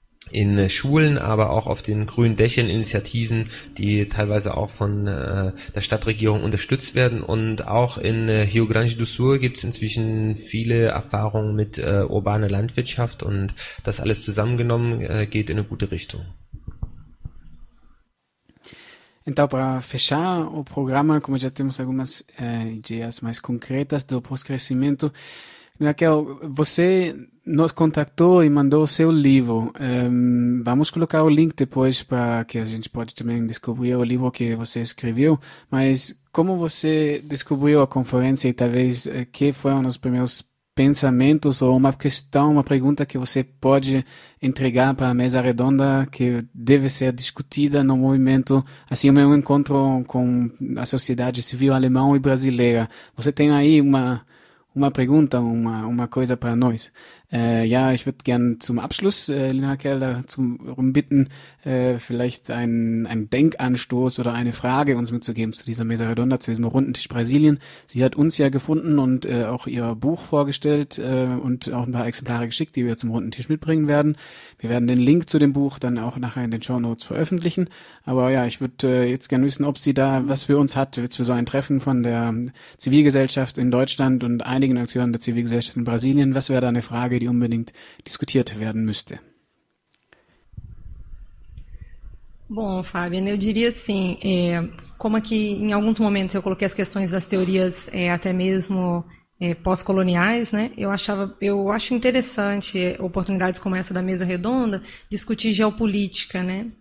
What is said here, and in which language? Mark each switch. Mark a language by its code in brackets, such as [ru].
[de] In Schulen, aber auch auf den grünen Dächern Initiativen, die teilweise auch von der Stadtregierung unterstützt werden. Und auch in Rio Grande do Sul gibt es inzwischen viele Erfahrungen mit urbaner Landwirtschaft und das alles zusammengenommen geht in eine gute Richtung. [pt] Então, para fechar o programa, como já temos algumas ideias mais concretas do pós-crescimento, Raquel, você nos contactou e mandou o seu livro. Vamos colocar o link depois para que a gente pode também descobrir o livro que você escreveu, mas como você descobriu a conferência e talvez que foram os primeiros pensamentos ou uma questão, uma pergunta que você pode entregar para a mesa redonda que deve ser discutida no movimento, assim, o meu encontro com a sociedade civil alemã e brasileira. Você tem aí uma pergunta, uma coisa para nós? [de] Ja, ich würde gerne zum Abschluss, Lina Kerl, darum bitten, vielleicht einen Denkanstoß oder eine Frage uns mitzugeben zu dieser Mesa Redonda, zu diesem Rundentisch Brasilien. Sie hat uns ja gefunden und auch ihr Buch vorgestellt und auch ein paar Exemplare geschickt, die wir zum Rundentisch mitbringen werden. Wir werden den Link zu dem Buch dann auch nachher in den Shownotes veröffentlichen. Aber ja, ich würde jetzt gerne wissen, ob sie da was für uns hat, jetzt für so ein Treffen von der Zivilgesellschaft in Deutschland und einigen Akteuren der Zivilgesellschaft in Brasilien. Was wäre da eine Frage, die unbedingt diskutiert werden müsste? [pt] Bom, Fabian, eu diria assim, como aqui em alguns momentos eu coloquei as questões das teorias até mesmo pós-coloniais, né? Eu acho interessante oportunidades como essa da mesa redonda discutir geopolítica, né?